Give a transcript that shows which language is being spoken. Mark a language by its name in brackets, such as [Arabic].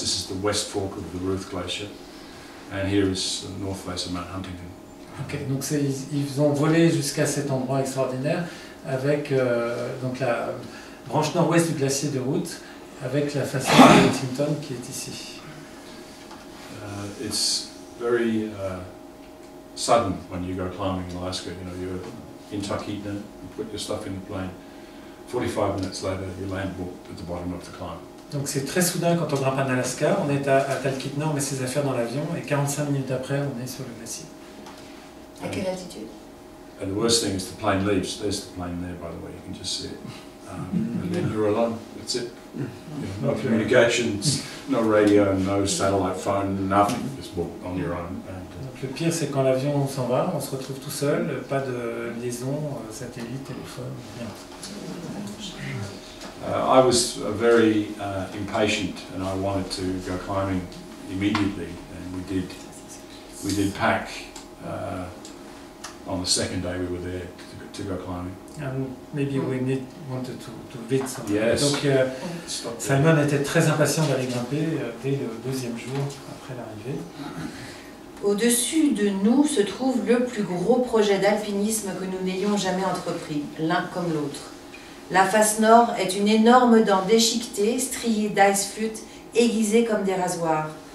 [English] This is the West Fork of the Ruth Glacier, and here is the north face of Mount Huntington. [French] Okay, donc ils ont volé jusqu'à cet endroit extraordinaire avec donc la branche nord-ouest du glacier de Ruth avec la face de Huntington qui est ici. [English] It's very sudden when you go climbing in Alaska. You know, you're in Tarkeetna, you put your stuff in the plane, 45 minutes later, you land at the bottom of the climb. [French] Donc c'est très soudain quand on grimpe en Alaska, on est à Tarkeetna, on met ses affaires dans l'avion et 45 minutes après, on est sur le glacier. À quelle altitude? [English] And the worst thing is the plane leaves. There's the plane there, by the way, you can just see it. And then you're alone, that's it. You know, no communications, no radio, no satellite phone, nothing, just walk on your own. [French] Donc le pire, c'est quand l'avion s'en va, on se retrouve tout seul, pas de liaison, satellite, téléphone, rien. [English] I was very impatient and I wanted to go climbing immediately, and we did pack on the second day we were there to go climbing. And maybe we wanted to vite something. Yes. [French] Donc Simon était très impatient d'aller grimper dès le deuxième jour après l'arrivée. Au-dessus de nous se trouve le plus gros projet d'alpinisme que nous n'ayons jamais entrepris, l'un comme l'autre. La face nord est une énorme dent déchiquetée, striée d'ice flûte, aiguisée comme des rasoirs.